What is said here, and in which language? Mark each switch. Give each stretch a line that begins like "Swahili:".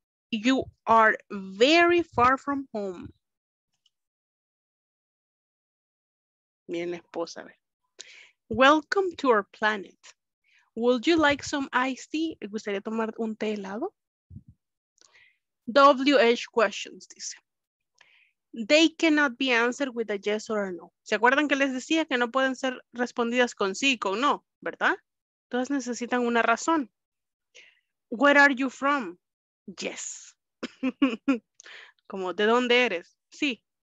English: You are very far from home.
Spanish: Miren la esposa.
English: Welcome to our planet. Would you like some iced tea?
Spanish: ¿Gustaría tomar un té helado?
English: WH questions,
Spanish: dice.
English: they cannot be answered with a yes or a no.
Spanish: ¿Se acuerdan que les decía que no pueden ser respondidas con sí o con no? ¿Verdad? Entonces necesitan una razón.
English: Where are you from? Yes.
Spanish: Como, ¿de dónde eres? Sí.